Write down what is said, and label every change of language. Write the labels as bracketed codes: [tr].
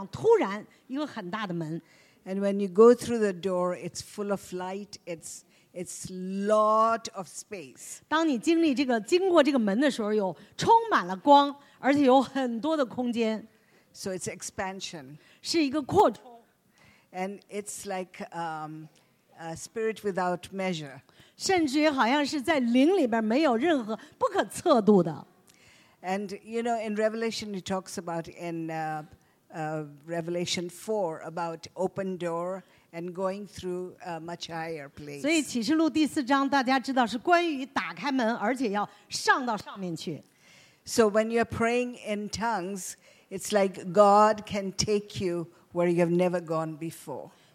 [zh] 是我们其实在今年在经历一个很不容易的一个很窄的一个隧道一样，突然一个很大的门。 [en] And when you go through the door, it's full of light, it's lot of space. [zh] 当你经历这个经过这个门的时候，有充满了光，而且有很多的空间。 [en] So it's expansion. [zh] 是一个扩充。 [en] And it's like a spirit without measure. [zh] 甚至于好像是在灵里边没有任何不可测度的。 [en] And you know, in Revelation, it talks about in Revelation 4 about open door and going through a much higher place. [zh] 所以启示录第四章，大家知道是关于打开门，而且要上到上面去。 [en] So when you're praying in tongues, it's like God can take you where you have never gone before.